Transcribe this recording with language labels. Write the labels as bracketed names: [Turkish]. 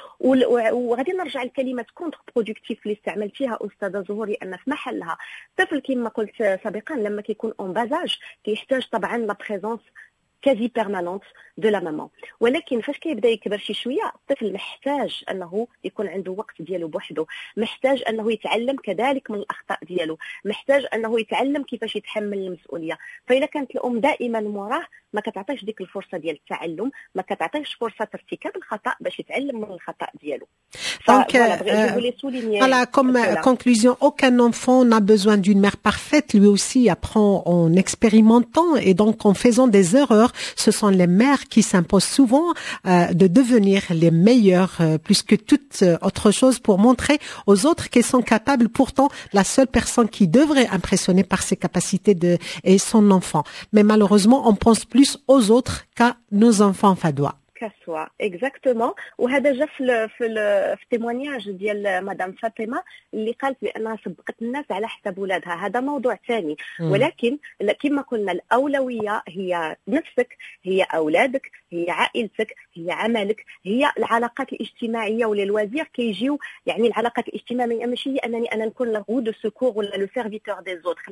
[Arabic] وغادي نرجع لكلمه كونتر برودكتيف اللي استعملتيها استاذه زهور، لان في محلها الطفل كما قلت سابقا لما كيكون اون بازاج كيحتاج طبعا [French] لا بريزونس كازي بيرمانونت دو لا مامون، [Arabic] ولكن فاش كيبدا يكبر شي شويه الطفل محتاج انه يكون عنده وقت ديالو بوحدو، محتاج انه يتعلم كذلك من الاخطاء ديالو، محتاج انه يتعلم كيفاش يتحمل المسؤوليه. فاذا كانت الام دائما موراه ما كتعطيش ديك الفرصه ديال التعلم، ما كتعطيش فرصه ارتكاب الخطا باش يتعلم من الخطا ديالو. [French] دونك voilà comme conclusion, aucun enfant n'a besoin d'une mère parfaite, lui aussi apprend en expérimentant et donc en faisant des erreurs. Ce sont les mères qui s'imposent souvent de devenir les meilleures plus que toute autre chose pour montrer aux autres qu'elles sont capables. Pourtant la seule personne qui devrait impressionner par ses capacités de est son enfant, mais malheureusement on pense plus aux autres qu'à nos enfants Fadwa. كسوة. exactement. [Arabic] وهذا جا في التيمونياج ديال مدام فاطمه اللي قالت بانها سبقت الناس على حساب ولادها، هذا موضوع ثاني. ولكن كما قلنا الاولويه هي نفسك، هي اولادك، هي عائلتك، هي عملك، هي العلاقات الاجتماعيه وللوزير كيجيو يعني العلاقات الاجتماعيه، ماشي هي انني انا نكون لو دو سكور ولا لو سيرفيتور دي زوتر.